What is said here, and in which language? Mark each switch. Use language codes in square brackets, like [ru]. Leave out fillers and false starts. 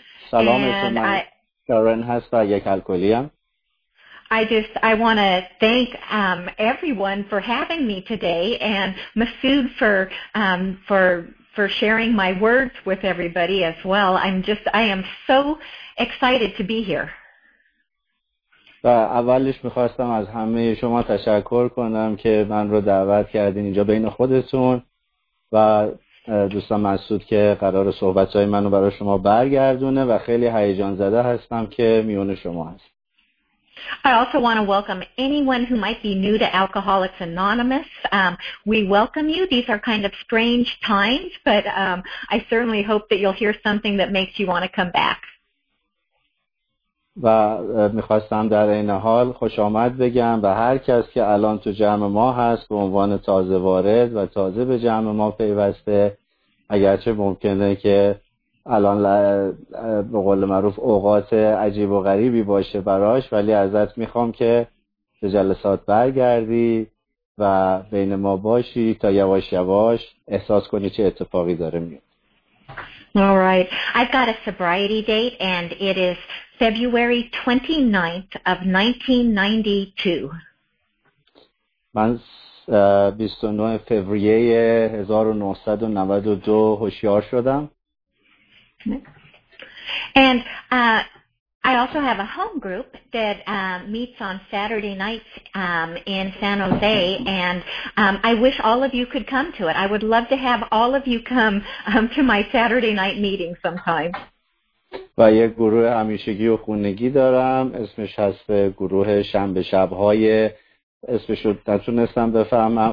[fa] Salam alaikum. Sharon hasta yek alkoholia. [en] I want to thank everyone for having me today, and Masood for sharing my words with everybody as well. I am so excited to be here. [fa] اولش میخواستم از همه شما تشکر کنم که من رو دعوت کردین اینجا بین خودتون و دوستان مسعود که قرار صحبت‌های منو برای شما برگردونه و خیلی هیجان زده هستم که میون شما هست. [en] I also want to welcome anyone who might be new to Alcoholics Anonymous. We welcome you. These are kind of strange times, but I certainly hope that you'll hear something that makes you want to come back. [fa] و میخواستم در این حال خوش آمد بگم و هر کس که الان تو جمع ما هست به عنوان تازه وارد و تازه به جمع ما پیوسته، اگرچه ممکنه که الان به قول معروف اوقات عجیب و غریبی باشه براش، ولی ازت میخوام که به جلسات برگردی و بین ما باشی تا یواش یواش احساس کنی چه اتفاقی داره میاد. [en] All right. I've got a sobriety date, and it is February 29th of 1992. [fa] من 29 فوریه 1992 هوشیار شدم. [en] And I also have a home group that meets on Saturday nights in San Jose, and I wish all of you could come to it. I would love to have all of you come to my Saturday night meeting sometime. [fa] و یک گروه همیشگی و خونگی دارم، اسمش هست گروه شنبه شب‌های، اسمش رو نتونستم بفهمم.